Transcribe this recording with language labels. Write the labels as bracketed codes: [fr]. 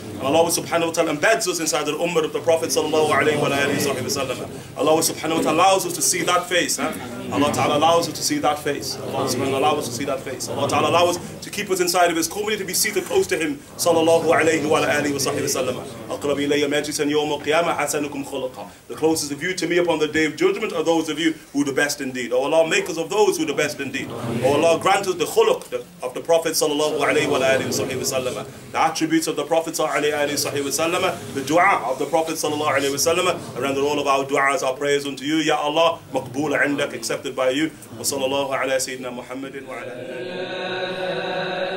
[en] And Allah subhanahu wa ta'ala embeds us inside the ummah of the Prophet sallallahu alayhi wa sallam. Allah subhanahu wa ta'ala allows us to see that face. Allah Ta'ala allows us to see that face. Allah subhanahu wa ta'ala allows us to see that face. Allah Ta'ala allows us to keep us inside of his company to be seated close to him, sallallahu alayhi wa alayhi wa sallam. [ar] أقرب إلي مجلساً يوم القيامة حسنكم خلقاً. [en] The closest of you to me upon the day of judgment are those of you who are the best indeed. Oh Allah, make us of those who are the best indeed. Oh Allah, grant us the khuluq of the Prophet sallallahu alayhi wa alayhi wa sallam. The attributes of the Prophet sallallahu alayhi wa sallam. The dua of the Prophet sallallahu alayhi wa sallam. And render all of our duas, our prayers unto you, Ya Allah, [ar] مقبول عندك, [en] accepted by you. [ar] وصلى الله على سيدنا محمد وعلى آله.